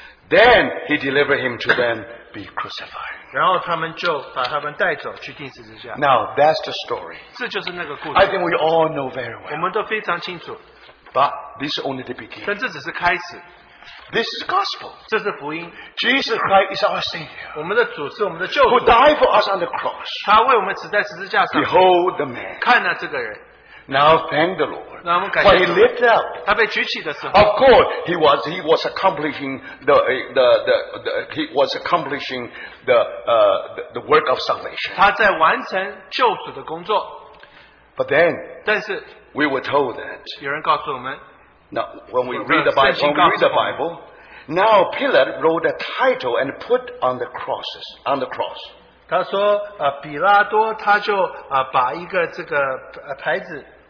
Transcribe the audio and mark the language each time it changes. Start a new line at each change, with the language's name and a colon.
English: then he delivered him to them be crucified.
Chinese: 然后他们就把他们带走去钉十字架。
English: Now that's the story.
Chinese: 这就是那个故事。
English: I think we all know very well.
Chinese: 我们都非常清楚。
English: But this is only the beginning.
Chinese: 但这只是开始。
English: This is gospel.
Chinese: 这是福音。
English: Jesus Christ is our Savior.
Chinese: 我们的主是我们的救主。
English: Who died for us on the cross.
Chinese: 他为我们死在十字架上。
English: Behold the man.
Chinese: 看了这个人。
English: Now thank the Lord.
Chinese: 那我们感谢主,
English: when he lived up,
Chinese: 他被举起的时候,
English: of course he was accomplishing the work of salvation.
Chinese: 他在完成救主的工作,
English: but then
Chinese: 但是,
English: we were told that
Chinese: 有人告诉我们,
English: now when we read the Bible, now Pilate wrote a title and put on the cross.
Chinese: 他说, 比拉多他就, 把一个这个, 牌子,